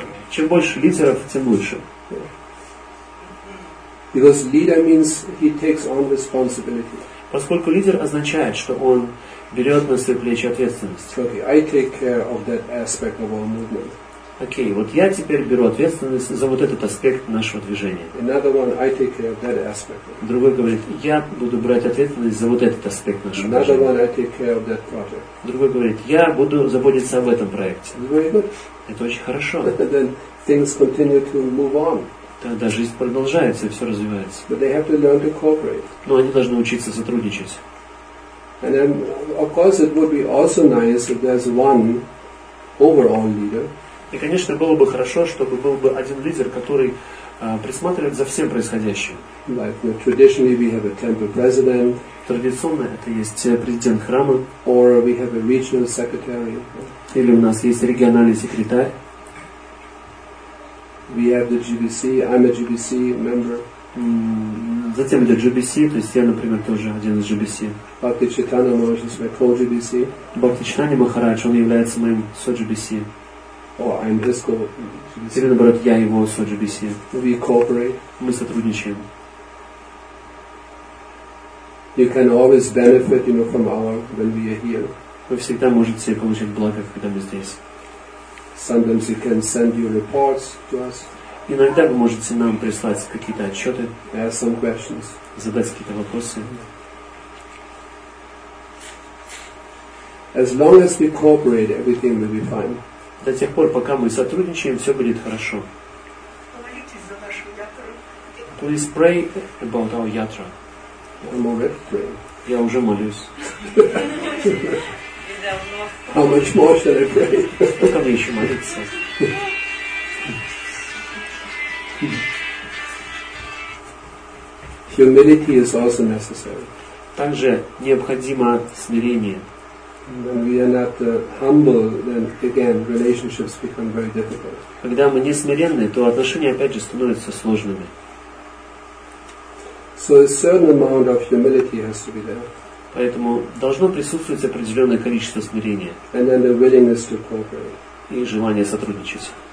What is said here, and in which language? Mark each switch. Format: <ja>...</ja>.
<ru>Чем больше лидеров, тем лучше.</ru> <en>Yeah. Because leader means he takes on responsibility.</en> <ru>Поскольку лидер означает, что он берет на свои плечи ответственность.</ru> <en>Okay, I take care of that aspect of our movement.</en> <ru>Окей, вот я теперь беру ответственность за вот этот аспект нашего движения.</ru> <en>Another one, I take care of that aspect.</en> <ru>Другой говорит, я буду брать ответственность за вот этот аспект нашего</ru> <en>Another</en> <ru>движения.</ru> <en>One, I take care of that project.</en> <ru>Другой говорит, я буду заботиться об этом проекте.</ru> <en>Very good.</en> <ru>Это очень хорошо.</ru> <en>Then things continue to move on.</en> <ru>Тогда жизнь продолжается, и все развивается.</ru> <en>But they have to learn to cooperate.</en> <ru>Но они должны учиться сотрудничать.</ru> <en>And then, of course, it would be also nice if there's one overall leader.</en> <ru>И, конечно, было бы хорошо, чтобы был бы один лидер, который присматривает за всем происходящим.</ru> <en>Like, you know, traditionally we have a temple president.</en> <ru>Традиционно это есть президент храма.</ru> <en>Or we have a regional secretary.</en> <ru>Или у нас есть региональный секретарь.</ru> <en>We have the GBC. I'm a GBC member.</en> <ru>Затем идет GBC, то есть я, например, тоже один из GBC.</ru> <en>Бхакти Чайтанья Махарадж is my co-GBC.</en> <ru>Бхакти Чайтанья Махарадж, он является моим со-GBC.</ru> <en>Oh, I'm his co-GBC.</en> <ru>Или наоборот, я его со-GBC.</ru> <en>We cooperate.</en> <ru>Мы сотрудничаем.</ru> <en>You can always benefit, you know, from our when we are here.</en> <ru>Вы всегда можете получить благо, когда мы здесь.</ru> <en>Sometimes you can send your reports to us.</en> <ru>Иногда вы можете нам прислать какие-то отчеты,</ru> <en>ask some questions,</en> <ru>задать какие-то вопросы.</ru> <en>As long as we cooperate, everything will be fine.</en> <ru>До тех пор, пока мы сотрудничаем, все будет хорошо. Помолитесь за нашу ятру.</ru> <en>Please pray about our yatra. I'm already praying.</en> <ru>Я уже молюсь.</ru> <en>How much more shall I pray?</en> <ru>Пока мне еще молиться.</ru> <en>Humility is also necessary.</en> <ru>Также необходимо смирение.</ru> <en>When we are not humble, then again relationships become very difficult.</en> <ru>Когда мы не смиренны, то отношения опять же становятся сложными.</ru> <en>So a certain amount of humility has to be there.</en> <ru>Поэтому должно присутствовать определенное количество смирения.</ru> <en>And then the willingness to cooperate.</en> <ru>И желание сотрудничать.</ru>